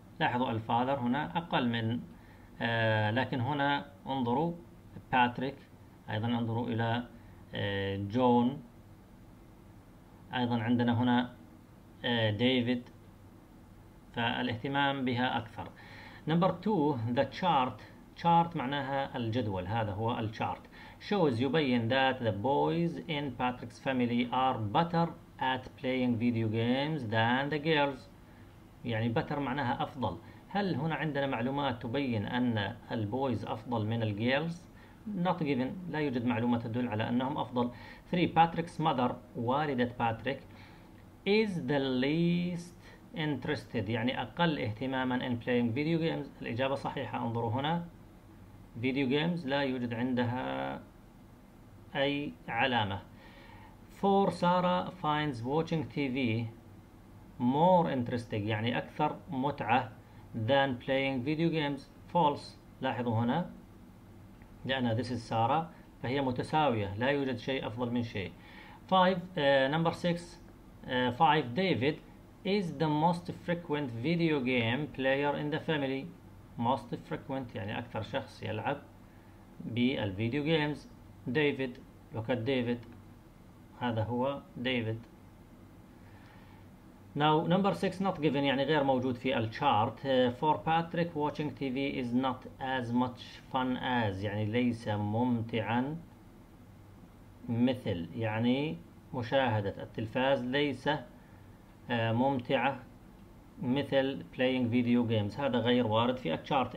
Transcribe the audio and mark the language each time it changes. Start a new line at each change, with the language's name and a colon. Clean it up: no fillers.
Arabic: لاحظوا الفادر هنا أقل من لكن هنا انظروا باتريك أيضا انظروا إلى جون أيضا عندنا هنا ديفيد فالاهتمام بها أكثر.
English: Number two, the chart.
Arabic: Chart معناها الجدول هذا هو الشارت.
English: Shows يبين that the boys in Patrick's family are better at playing video games than the girls.
Arabic: يعني better معناها أفضل. هل هنا عندنا معلومات تبين أن البويز أفضل من الجيرلز؟
English: Not given.
Arabic: لا يوجد معلومة تدل على أنهم أفضل.
English: 3. Patrick's mother
Arabic: والدة باتريك
English: is the least interested
Arabic: يعني أقل اهتماما
English: in playing video games.
Arabic: الإجابة صحيحة انظروا هنا video games لا يوجد عندها أي علامة.
English: 4. Sarah finds watching TV more interesting
Arabic: يعني أكثر متعة
English: than playing video games. False.
Arabic: لاحظوا هنا لأن
English: this is Sarah
Arabic: فهي متساوية لا يوجد شيء أفضل من شيء. 5.
English: David is the most frequent video game player in the family. Most frequent
Arabic: يعني أكثر شخص يلعب بالفيديو جيمز. ديفيد، لوك ات ديفيد، هذا هو ديفيد.
English: Now number 6 not given
Arabic: يعني غير موجود في الشارت.
English: For Patrick watching TV is not as much fun as
Arabic: يعني ليس ممتعا مثل، يعني مشاهدة التلفاز ليس ممتعة مثل
English: playing video games،
Arabic: هذا غير وارد في الشارت.